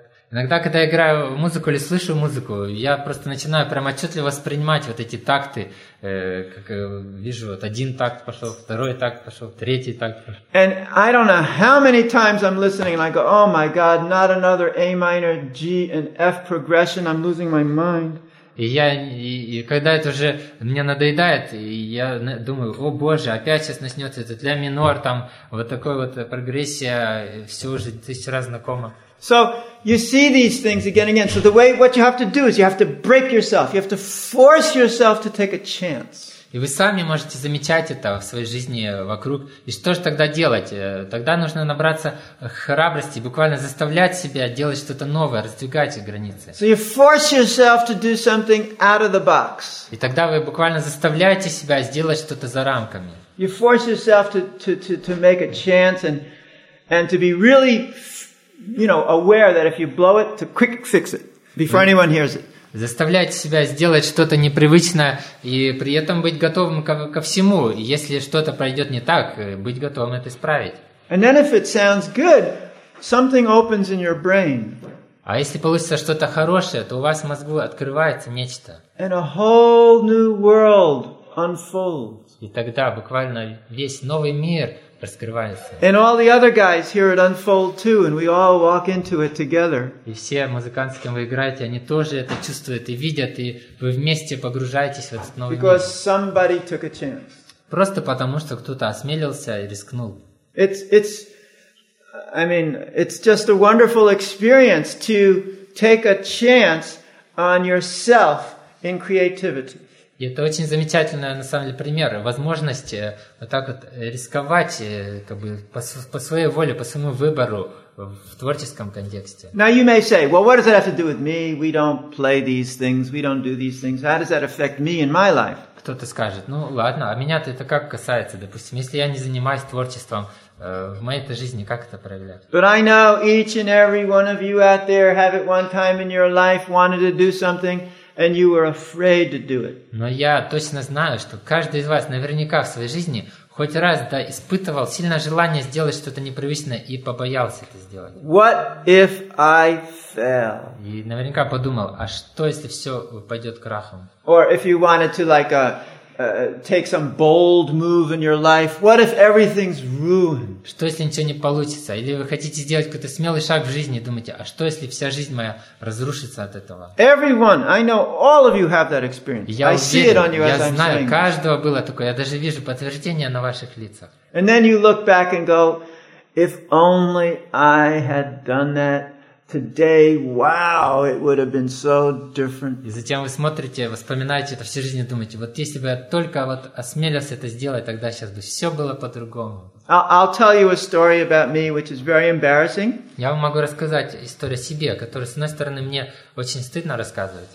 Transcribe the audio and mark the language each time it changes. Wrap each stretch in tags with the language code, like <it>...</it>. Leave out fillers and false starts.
<ru>Иногда, когда я играю музыку или слышу музыку, я просто начинаю прямо отчетливо воспринимать вот эти такты, как вижу, вот один такт пошел, второй такт пошел, третий такт пошел.</ru> <en>And I don't know how many times I'm listening and I go, oh my God, not another A minor, G and F progression, I'm losing my mind.</en> <ru>И когда это уже мне надоедает, я думаю, о боже, опять сейчас начнется этот ля минор, там вот такой вот прогрессия, все уже тысячу раз знакомо.</ru> <en>So you see these things again and again. So what you have to do is you have to break yourself, you have to force yourself to take a chance.</en> <ru>И вы сами можете замечать это в своей жизни вокруг. И что же тогда делать? Тогда нужно набраться храбрости, буквально заставлять себя делать что-то новое, раздвигать границы.</ru> <en>So you force yourself to do something out of the box.</en> <ru>И тогда вы буквально заставляете себя сделать что-то за рамками.</ru> <en>You force yourself to make a chance and to be really, you know, aware that if you blow it, to quick fix it before anyone hears it.</en> <ru>Заставлять себя сделать что-то непривычное и при этом быть готовым ко всему. Если что-то пройдет не так, быть готовым это исправить.</ru> <en>And then if it sounds good, something opens in your brain.</en> <ru>А если получится что-то хорошее, то у вас в мозгу открывается нечто.</ru> <en>And a whole new world unfolds.</en> <ru>И тогда буквально весь новый мир раскрывается.</ru> <en>And all the other guys hear it unfold too, and we all walk into it together.</en> <ru>И все музыканты, с кем вы играете, они тоже это чувствуют и видят, и вы вместе погружаетесь в этот новый мир.</ru> <en>Because somebody took a chance.</en> <ru>Просто потому, что кто-то осмелился и рискнул.</ru> <en>It's just a wonderful experience to take a chance on yourself in creativity.</en> <ru>И это очень замечательный, на самом деле, пример, возможность вот так вот рисковать как бы, по своей воле, по своему выбору в творческом контексте.</ru> <en>Now you may say, well, what does that have to do with me? We don't play these things, we don't do these things. How does that affect me in my life?</en> <ru>Кто-то скажет, ну ладно, а меня-то это как касается, допустим, если я не занимаюсь творчеством, в моей-то жизни как это проявляется?</ru> <en>But I know each and every one of you out there have at one time in your life wanted to do something, and you were afraid to do it.</en> <ru>Но я точно знаю, что каждый из вас наверняка в своей жизни хоть раз да испытывал сильное желание сделать что-то непривычное и побоялся это сделать.</ru> <en>What if I fail?</en> <ru>И наверняка подумал, а что если все пойдет крахом?</ru> <en>Or if you wanted to like take some bold move in your life, what if everything's ruined?</en> <ru>Что если ничего не получится? Или вы хотите сделать какой-то смелый шаг в жизни и думаете, а что если вся жизнь моя разрушится от этого?</ru> <en>Everyone, I know all of you have that experience. I see it on you as I'm saying.</en> <ru>Я знаю, каждого было такое. Я даже вижу подтверждение на ваших лицах.</ru> <en>And then you look back and go, if only I had done that today, wow, it would have been so different.</en> <ru>И затем вы смотрите, вспоминаете это всю жизнь и думаете, вот если бы я только вот осмелился это сделать, тогда сейчас бы все было по-другому.</ru> <en>I'll tell you a story about me, which is very embarrassing.</en> <ru>Я вам могу рассказать историю о себе, которую, с одной стороны, мне очень стыдно рассказывать.</ru>